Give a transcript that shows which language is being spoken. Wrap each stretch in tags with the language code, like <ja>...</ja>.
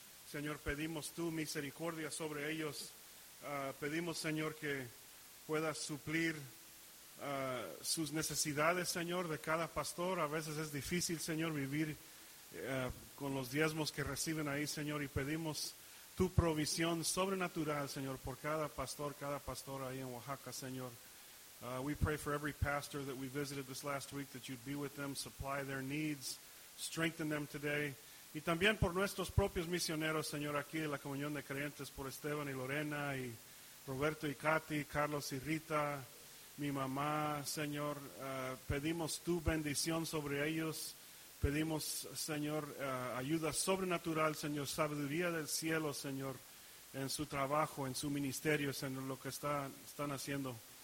<es>Señor, pedimos tu misericordia sobre ellos. Pedimos, Señor, que puedas suplir sus necesidades, Señor, de cada pastor. A veces es difícil, Señor, vivir con los diezmos que reciben ahí, Señor. Y pedimos tu provisión sobrenatural, Señor, por cada pastor ahí en Oaxaca, Señor.</es> <en>We pray for every pastor that we visited this last week, that you'd be with them, supply their needs, strengthen them today.</en> <es>Y también por nuestros propios misioneros, Señor, aquí de la Comunión de Creyentes, por Esteban y Lorena, y Roberto y Katy, Carlos y Rita, mi mamá, Señor. Pedimos tu bendición sobre ellos. Pedimos, Señor, ayuda sobrenatural, Señor, sabiduría del cielo, Señor, en su trabajo, en su ministerio, Señor, lo que están haciendo.</es>